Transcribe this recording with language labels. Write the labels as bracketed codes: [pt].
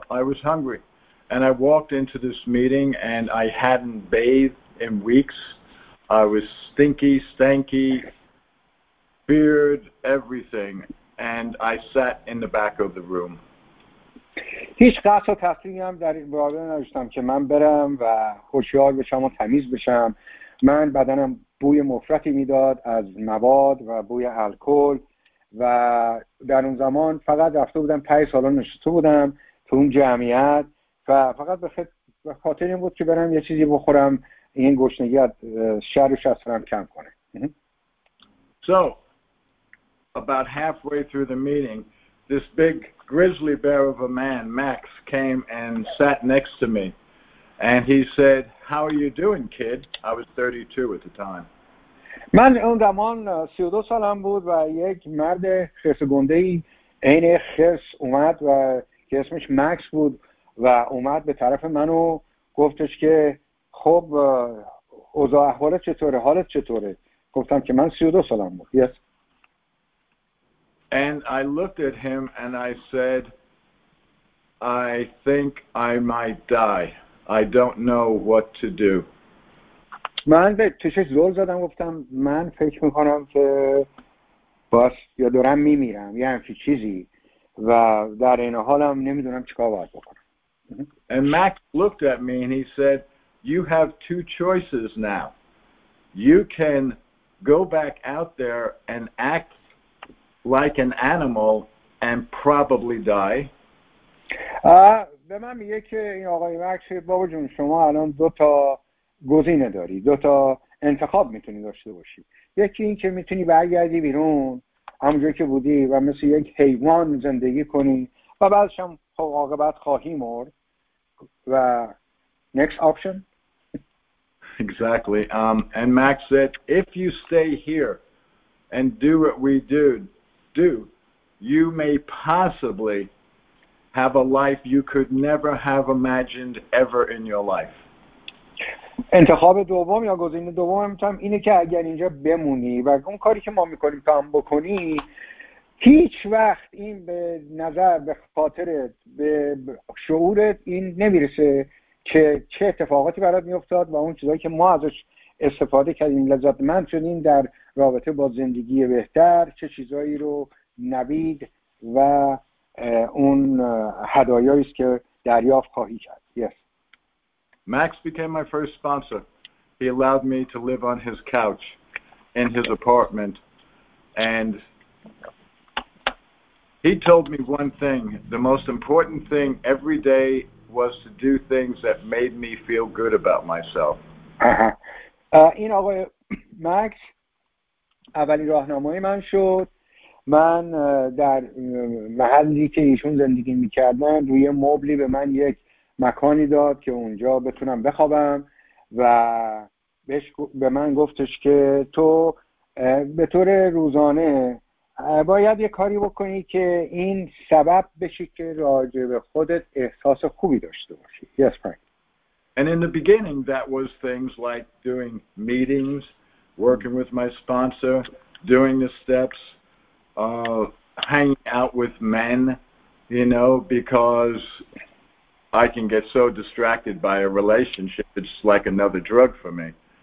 [en] I was hungry and I walked into this meeting and I hadn't bathed in weeks. I was stinky, stanky, beard, everything, and I sat in the back of the room. [fa] هیچ قصد و تصمیمی هم در این باره نداشتم که من برم و خوشحال بشم و تمیز بشم. من بدنم بوی مفرطی میداد از مواد و بوی الکل و در اون زمان فقط رفته بودم ته سالن نشسته بودم تو اون جمعیت و فقط به خاطر این بود که برم یه چیزی بخورم این گشنگی از شرش از سرم کم کنه. [en] So about halfway through the meeting, this big grizzly bear of a man, Max, came and sat next to me. And he said, how are you doing, kid? I was 32 at the time. [fa] من اون زمان 32 سالم بود و یک مرد خرس گنده ای عین خرس اومد و که اسمش مکس بود و اومد به طرف منو گفتش که خب اوضاع احوالت چطوره، حالت چطوره. گفتم که من 32 سالم بود. [en] Yes. And I looked at him and I said, I think I might die. I don't know what to do. [fa] من به چشش زل زدم، گفتم من فکر میکنم که باس یا دارم میمیرم یه همچی چیزی و در این حالم نمیدونم چیکار باید بکنم. [en] And Max looked at me and he said, you have two choices now. You can go back out there and act like an animal and probably die. [fa] به من میگه که این آقای مکس، بابا جون شما الان دو تا گزینه داری، دو تا انتخاب میتونی داشته باشی. یکی این که میتونی برگردی بیرون همونجوری که بودی و مثل یک حیوان زندگی کنی و بعدش هم خب عاقبت خواهی مرد. و [en] next option. Exactly. And Max said, if you stay here and do what we do, you may possibly have a life you could never have imagined ever in your life. [fa] انتخاب دوم یا گزینه دوم میتونم اینه که اگر اینجا بمونی و اون کاری که ما میکنیم تام بکنی، هیچ وقت این به نظر، به خاطرت، به شعورت این نمیرسه که چه اتفاقاتی برات میافتاد و اون چیزایی که ما ازش استفاده کردیم، لذت مند شدیم در رابطه با زندگی بهتر، چه چیزایی رو نوید و اون هدایایی است که دریافت خواهی کرد. [en] Yes. Max became my first sponsor. He allowed me to live on his couch in his apartment. And he told me one thing. The most important thing every day was to do things that made me feel good about myself. [fa] این آقای مکس اولین راهنمای من شد. من در محلی که ایشون زندگی میکردن روی مبلی به من یک مکانی داد که اونجا بتونم بخوابم و به من گفتش که تو به طور روزانه باید یه کاری بکنی که این سبب بشه که راجع به خودت احساس خوبی داشته باشی. [en] Yes, Frank. And in the beginning that was things like doing meetings, working with my sponsor, doing the steps, hanging out with men, you know, because I can get so distracted by a relationship, it's like another drug for me.